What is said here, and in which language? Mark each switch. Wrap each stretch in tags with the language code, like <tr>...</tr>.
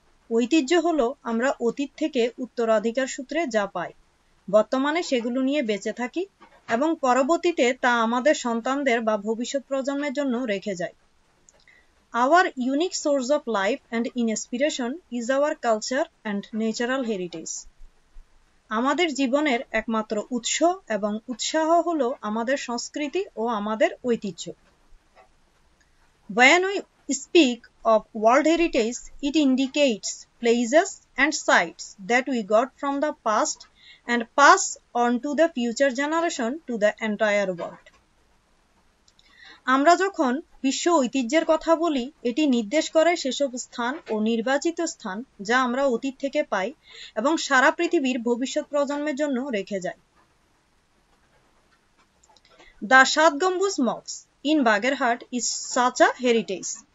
<bn>ঐতিহ্য হলো আমরা অতীত থেকে উত্তরাধিকার সূত্রে যা পাই, বর্তমানে সেগুলো নিয়ে বেঁচে থাকি এবং পরবর্তীতে তা আমাদের সন্তানদের বা ভবিষ্যৎ প্রজন্মের জন্য রেখে যাই।</bn> <en>Our unique source of life and inspiration is our culture and natural heritage.</en> <bn>আমাদের জীবনের একমাত্র উৎস এবং উৎসাহ হল আমাদের সংস্কৃতি ও আমাদের ঐতিহ্য।</bn> <en>When we speak of world heritage, it indicates places and sites that we got from the past and pass on to the future generation to the entire world.</en> <bn>আমরা যখন বিশ্ব ঐতিহ্যের কথা বলি, এটি নির্দেশ করে সেসব স্থান ও নির্বাচিত স্থান যা আমরা অতীত থেকে পাই এবং সারা পৃথিবীর ভবিষ্যৎ প্রজন্মের জন্য রেখে যাই।</bn> <en>The Shat Gombuj mosques in Bagerhat is such a heritage.</en>